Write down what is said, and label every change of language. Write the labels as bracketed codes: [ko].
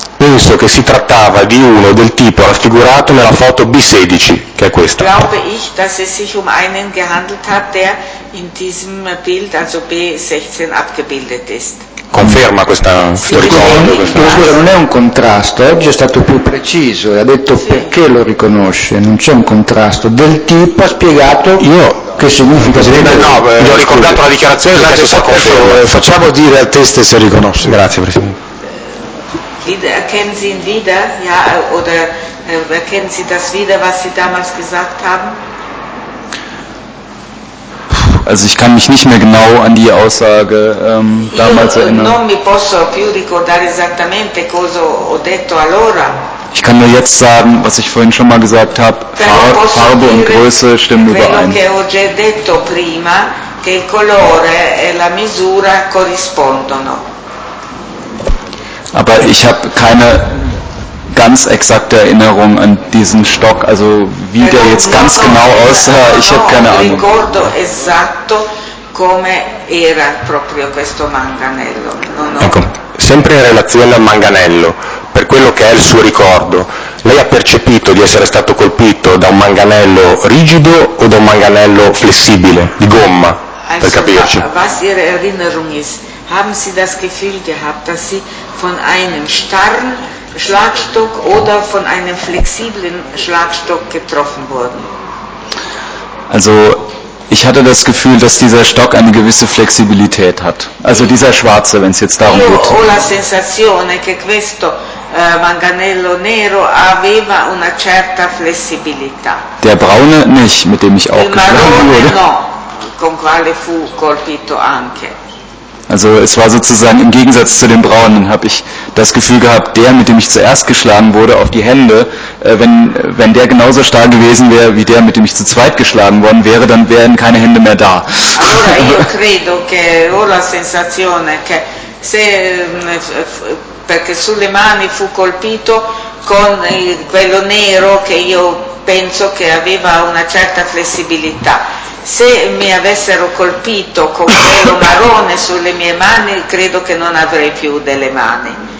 [it] penso che si trattava di uno del tipo raffigurato nella foto B16, che è questa. [de] Glaube ich, dass es sich um einen gehandelt hat, der in diesem Bild, also B16, abgebildet ist. [it] Conferma questa ricordo. Non è un contrasto, oggi è stato più preciso e ha detto sì. Perché lo riconosce, non c'è un contrasto. Del tipo ha spiegato io. Che significa? Presidente, no, gli ho ricordato la dichiarazione, la stessa conferma. Facciamo dire al teste se riconosce. Grazie, Presidente. [de] Erkennen Sie ihn wieder, ja, oder erkennen Sie das wieder, was Sie damals gesagt haben? Also ich kann mich nicht mehr genau an die Aussage damals erinnern. [it] Non mi posso più ricordare esattamente cosa ho detto allora. [de] Ich kann nur jetzt sagen, was ich vorhin schon mal gesagt habe, Farbe und Größe stimmen überein. [it] Che ho già detto prima, che il colore e la misura corrispondono. [de] Aber ich habe keine ganz exakte Erinnerung an diesen Stock, also wie der jetzt ganz genau aussah, ich habe keine Ahnung. [it] Ricordo esatto come era proprio questo manganello. Ecco, sempre in relazione al manganello, per quello che è il suo ricordo, lei ha percepito di essere stato colpito da un manganello rigido o da un manganello flessibile, di gomma, per capirci? [de] Was Ihre Erinnerung ist? Haben Sie das Gefühl gehabt, dass Sie von einem starren Schlagstock oder von einem flexiblen Schlagstock getroffen wurden? Also ich hatte das Gefühl, dass dieser Stock eine gewisse Flexibilität hat. Also dieser schwarze, wenn es jetzt darum geht. [it] Ho la sensazione che questo manganello nero aveva una certa flessibilità. [de] Der braune nicht, mit dem ich auch geschlagen wurde. [it] No, con quale fu colpito anche. [de] Also es war sozusagen im Gegensatz zu dem braunen, habe ich das Gefühl gehabt, der, mit dem ich zuerst geschlagen wurde, auf die Hände, wenn der genauso stark gewesen wäre, wie der, mit dem ich zu zweit geschlagen worden wäre, dann wären keine Hände mehr da. [it] Allora io credo che ho la sensazione che se perché sulle mani fu colpito con quello nero che io penso che aveva una certa flessibilità. Se mi avessero colpito con quello marrone sulle mie mani, credo che non avrei più delle mani.